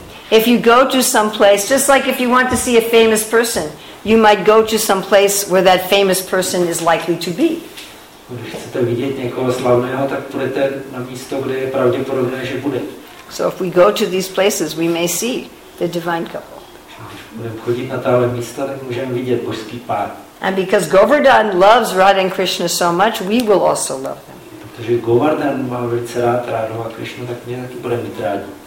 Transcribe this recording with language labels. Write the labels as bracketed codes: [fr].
[en] If you go to some place, just like if you want to see a famous person, you might go to some place where that famous person is likely to be. [cs] Když chcete vidět někoho slavného, tak půjdete na místo, kde je pravděpodobné, že bude. [en] So if we go to these places, we may see the divine couple. [cs] Když budeme chodit na tahle místa, tak můžeme vidět božský pár. [en] And because Govardhan loves Radha and Krishna so much, we will also love them. [cs] Protože Govardhan má velice rád Radhu a Krishnu, tak mě taky bude mít rádi.